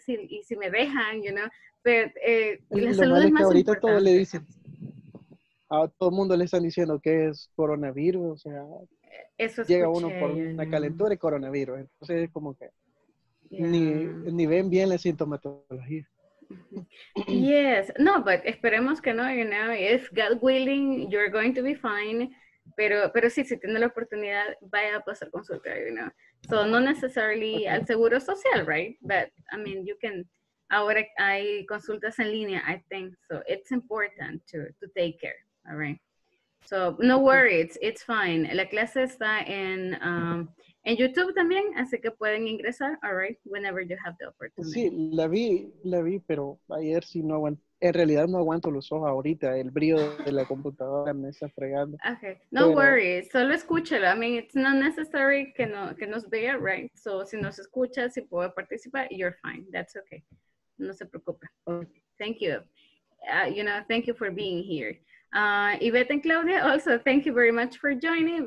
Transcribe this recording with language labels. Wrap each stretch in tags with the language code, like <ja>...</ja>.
<es>¿Y si me dejan?</es> <en>You know? But</en> <es>la salud es más ahorita importante. Todo le dicen. A todo el mundo le están diciendo que es coronavirus, o sea, eso escuché, llega uno por una calentura y coronavirus. Entonces es como que ni ven bien la sintomatología.</es> <en>Yes, no, but</en> <es>esperemos que no,</es> <en>you know, if God willing, you're going to be fine.</en> <es>Pero sí, si tiene la oportunidad, vaya a pasar consulta,</es> <en>you know. So, no necessarily okay.</en> <es>Al seguro social,</es> <en>right? But, I mean, you can...</en> <es>Ahora hay consultas en línea,</es> <en>I think. So, it's important to take care. All right. So no worries, it's fine.</en> <es>La clase está en YouTube también, así que pueden ingresar,</es> <en>all right, whenever you have the opportunity.</en> <es>Sí, la vi, pero ayer sí no aguanto. En realidad no aguanto los ojos ahorita, el brillo de la computadora me está fregando. Okay, no pero, worries, solo escúchalo.</es> <en>I mean, it's not necessary</en> <es>que nos vea,</es> <en>right?</en> <es>So si nos escucha, si puede participar,</es> <en>you're fine. That's okay.</en> <es>No se preocupe.</es> <en>Okay. Thank you. You know, thank you for being here. Yvette and Claudia, also, thank you very much for joining.</en>